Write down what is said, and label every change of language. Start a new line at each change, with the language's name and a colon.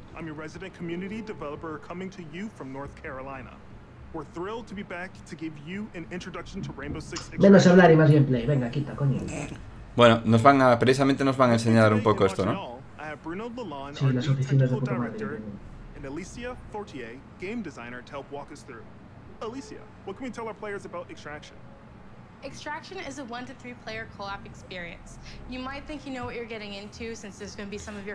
English: I'm your resident community developer coming to you from North Carolina. We're thrilled to be back to give you an introduction to Rainbow Six Extraction.
Spanish: Menos hablar y más gameplay. Venga, quita, coño. Bueno, nos van a, precisamente nos van a enseñar un poco esto, ¿no? Sí, las oficinas de puta madre.
English: And Alicia Fortier, game designer, to help walk us through. Alicia, what can we tell our players about Extraction? Extraction is a 1-3 player co-op experience. You might think you know what you're getting into since there's going to be some of your